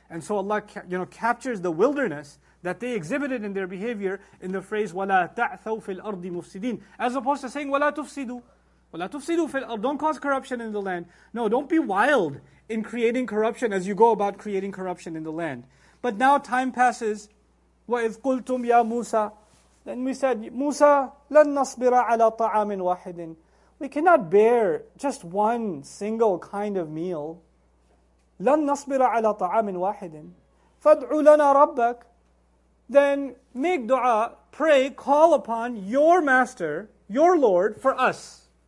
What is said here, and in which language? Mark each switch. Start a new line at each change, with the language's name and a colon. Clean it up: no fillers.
English: And so Allah captures the wilderness that they exhibited in their behavior in the phrase,
Arabic: وَلَا تَعْثَوْ فِي الْأَرْضِ مُفْسِدِينَ,
English: as opposed to saying,
Arabic: وَلَا تُفْسِدُوا. وَلَا تُفْسِدُوا فِي الْأَرْضِ.
English: Don't cause corruption in the land. No, don't be wild in creating corruption as you go about creating corruption in the land. But now time passes.
Arabic: وَإِذْ قُلْتُمْ يَا مُوسَى.
English: Then we said,
Arabic: Musa, لَن نَصْبِرَ عَلَى طَعَامٍ وَاحِدٍ.
English: We cannot bear just one single kind of meal.
Arabic: لَن نَصْبِرَ عَلَى طَعَامٍ وَاحِدٍ. فَادْعُوا لَنَا رَبَّكَ.
English: Then make dua, pray, call upon your master, your Lord, for us.